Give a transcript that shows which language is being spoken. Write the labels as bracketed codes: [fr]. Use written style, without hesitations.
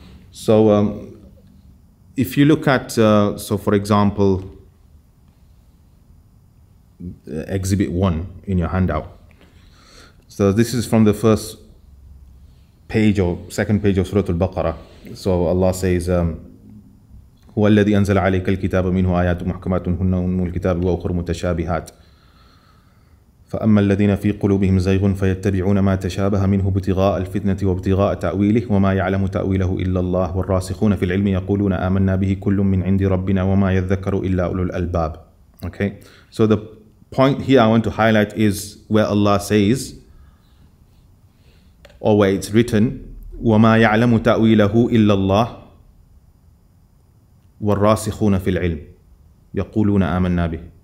[en] So if you look at, for example, Exhibit 1 in your handout. So this is from the first page or second page of Surah Al-Baqarah. So Allah says, [ar] هُوَ الَّذِي أَنزَلَ عَلَيْكَ الْكِتَابَ مِنْهُ آيَاتٌ مُحْكَمَاتٌ هُنَّ أُمُّ الْكِتَابِ وَأُخَرُ مُتَشَابِهَاتٌ فأما الذين في قلوبهم زيغ فيتبعون ما تشابه منه ابتغاء الفتنة وابتغاء تأويله وما يعلم تأويله إلا الله والراسخون في العلم يقولون آمنا به كل من عند ربنا وما يذكر إلا أولو الألباب. [en] Okay, so the point here I want to highlight is where Allah says, or where it's written, [ar] وما يعلم تأويله إلا الله والراسخون في العلم يقولون آمنا به.